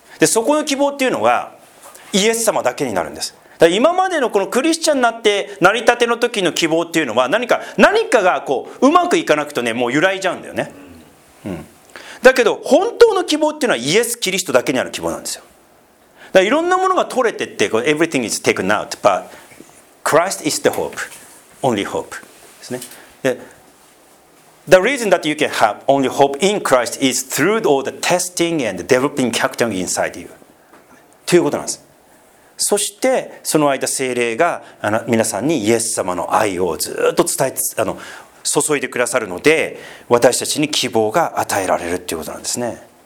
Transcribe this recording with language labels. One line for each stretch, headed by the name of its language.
Japanese: で、そこの希望っていうのがイエス様だけになるんです。だから今までのこのクリスチャンになって成り立ての時の希望っていうのは、何かがこううまくいかなくとね、もう揺らいじゃうんだよね、うん、だけど本当の希望っていうのはイエス・キリストだけにある希望なんですよ。だからいろんなものが取れてって、
English: Everything is taken out butChrist is the hope, only hope.
Japanese: ですね。
English: The reason that you can have only hope in Christ is through all the testing and developing character inside you.
Japanese: ということなんです。そしてその間、聖霊が皆さんにイエス様の愛をずっと伝えて、あの注いでくださるので、私たちに希望が与えられるということなんですね。